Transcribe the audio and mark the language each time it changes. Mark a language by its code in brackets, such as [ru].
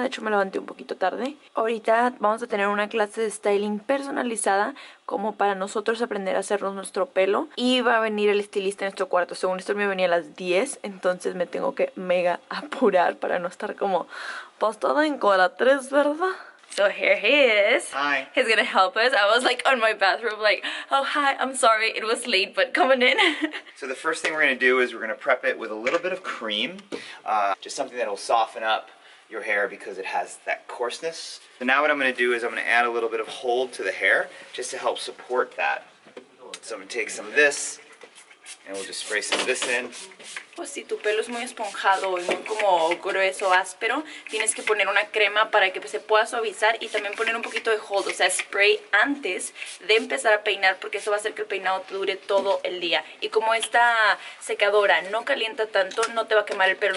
[es] De hecho, me levanté un poquito tarde. Ahorita vamos a tener una clase de styling personalizada, como para nosotros aprender a hacernos nuestro pelo. Y va a venir el estilista en nuestro cuarto. Según esto, me venía a las 10. Entonces me tengo que mega apurar para no estar como postada en cola 3, ¿verdad? [en] So here he is. Hi. He's gonna help us. I was like on my bathroom like, oh hi, I'm sorry, it was late, but coming in. So the first thing we're gonna do is we're gonna prep it with a little bit of cream. Just something that'll soften up your hair because it has that coarseness. So now what I'm gonna do is I'm gonna add a little bit of hold to the hair just to help support that. So I'm gonna take some of this and we'll just spray some of this in. [es] Pues si tu pelo es muy esponjado y muy como grueso, áspero, tienes que poner una crema para que se pueda suavizar, y también poner un poquito de hold, o sea, spray antes de empezar a peinar, porque eso va a hacer que el peinado te dure todo el día. Y como esta secadora no calienta tanto, no te va a quemar el pelo.